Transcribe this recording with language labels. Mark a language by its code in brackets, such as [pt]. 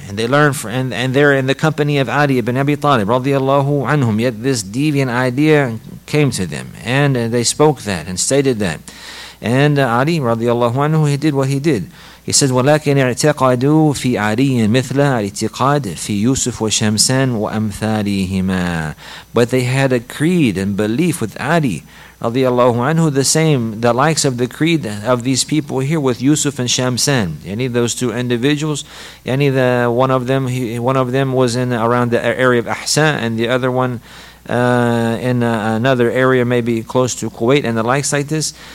[en] And they learn from, and they're in the company of Ali ibn Abi Talib, radiallahu anhum. Yet this deviant idea came to them. And they spoke that and stated that. And Ali, radiallahu anhu, he did what he did. He said, [ar] وَلَكِنْ اِعْتَقَدُوا فِي عَلِيٍّ مِثْلَ اِعْتِقَادٍ فِي يُوسُفْ وَشَمْسَانْ وَأَمْثَالِهِمَا. [en] But they had a creed and belief with Ali, radiallahu anhu, the same, the likes of the creed of these people here with Yusuf and Shamsan. Any of those two individuals, one of them was in around the area of Ahsa, and the other one in another area maybe close to Kuwait and the likes like this.